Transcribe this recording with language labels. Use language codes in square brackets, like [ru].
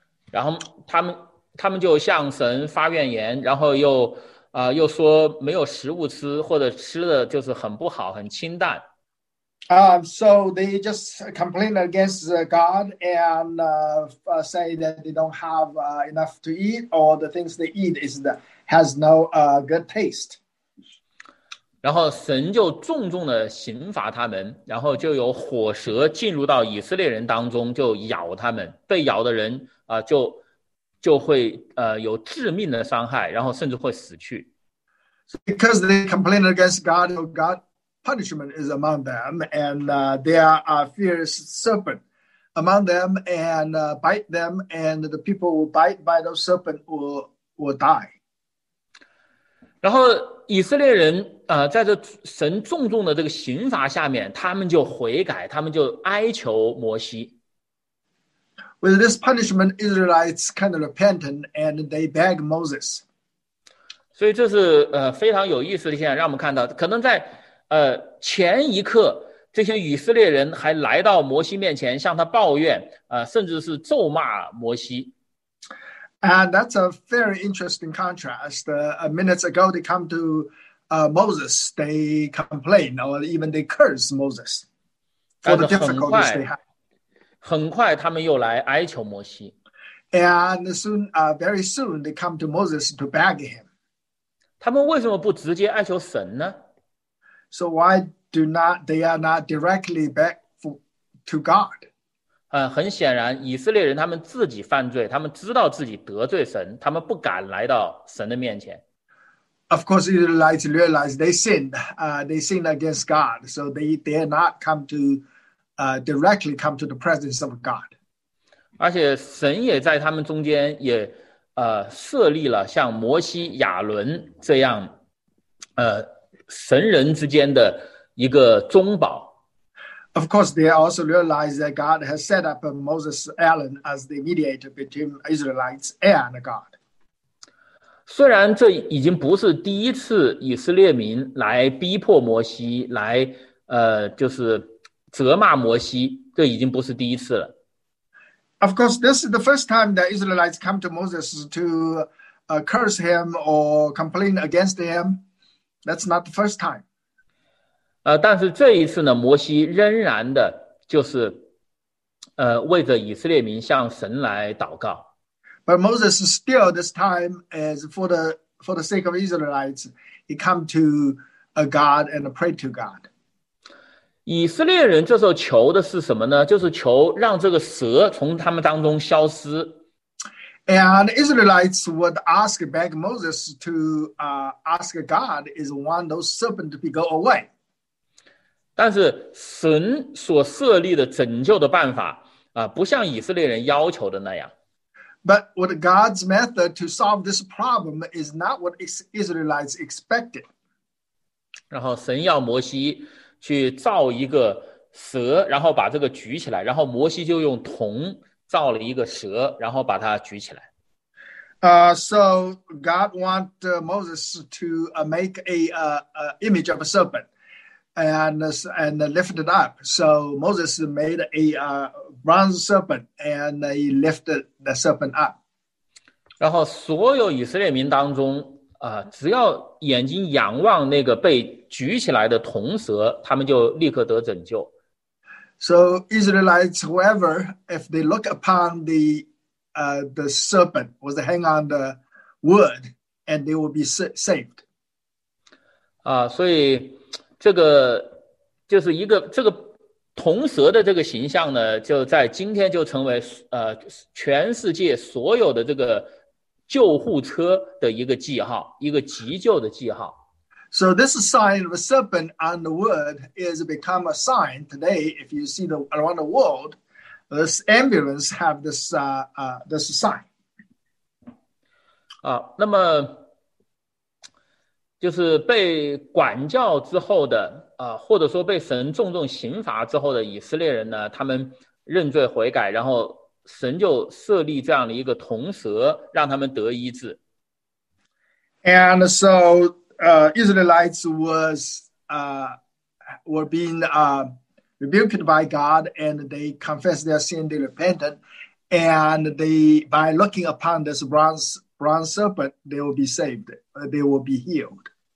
[zh] 然后他们就向神发怨言，然后又说没有食物吃，或者吃的就是很不好，很清淡。 [en] So they just complain against God and say that they don't have enough to eat, or the things they eat has no good taste. [zh] 然后神就重重的刑罚他们，然后就有火蛇进入到以色列人当中，就咬他们，被咬的人就会有致命的伤害，然后甚至会死去。 [en] Because they complain against God, God punishment is among them, and there are fierce serpent among them and bite them, and the people who bite by those serpent will die. [zh] 然后以色列人在这神重重的这个刑罚下面，他们就悔改，他们就哀求摩西。 [en] With this punishment, Israelites kind of repentant and they beg Moses. [zh] 所以这是非常有意思的现象，让我们看到，可能在前一刻，这些以色列人还来到摩西面前向他抱怨，甚至是咒骂摩西。 [en] And that's a very interesting contrast. Minutes ago, they come to Moses. They complain or even they curse Moses for the difficulties they have. [zh] 很快他们又来哀求摩西。 [en] And soon, very soon, they come to Moses to beg him. [zh] 他们为什么不直接哀求神呢？ [en] So why do not, they are not directly beg to God? [zh] 很显然，以色列人他们自己犯罪，他们知道自己得罪神，他们不敢来到神的面前。 [en] Of course, Israelites realize they sinned. They sinned against God, so they dare not come to directly come to the presence of God. [zh] 而且神也在他们中间也设立了像摩西、亚伦这样神人之间的一个中保。 [en] Of course, they also realize that God has set up Moses Aaron as the mediator between Israelites and God. [zh] 虽然这已经不是第一次以色列民来逼迫摩西来就是责骂摩西，这已经不是第一次了。 [en] Of course, this is the first time that Israelites come to Moses to curse him or complain against him. That's not the first time. [zh] 但是这一次呢，摩西仍然的就是为着以色列民向神来祷告。 [en] But Moses still this time is for the sake of Israelites, he come to a God and pray to God. [zh] 以色列人这时候求的是什么呢？就是求让这个蛇从他们当中消失。 [en] And Israelites would ask back Moses to ask God, is one those serpent to go away? [zh] 但是神所设立的拯救的办法不像以色列人要求的那样。 [en] But what God's method to solve this problem is not what Israelites expected. [zh] 然后神要摩西去造一个蛇，然后把这个举起来，然后摩西就用铜造了一个蛇，然后把它举起来。 [en] So God want Moses to make a image of a serpent and lift it up. So Moses made a bronze serpent and he lifted the serpent up. [zh] 然后所有以色列民当中只要眼睛仰望那个被举起来的铜蛇，他们就立刻得拯救。 [en] So Israelites, whoever, if they look upon the serpent was hang on the wood, and they will be saved. [zh] 所以这个就是一个这个铜蛇的这个形象呢，就在今天就成为全世界所有的这个救护车的一个记号，一个急救的记号。 [en] So this sign of a serpent on the wood is become a sign today. If you see the around the world, this ambulance have this this sign. [zh] 那么就是被管教之后的或者说被神重重刑罚之后的以色列人呢，他们认罪悔改，然后神就设立这样的一个铜蛇，让他们得医治。 [en] And so. Israelites were being rebuked by God, and they confessed their sin, they repented, and they by looking upon this bronze serpent, they will be saved, they will be healed.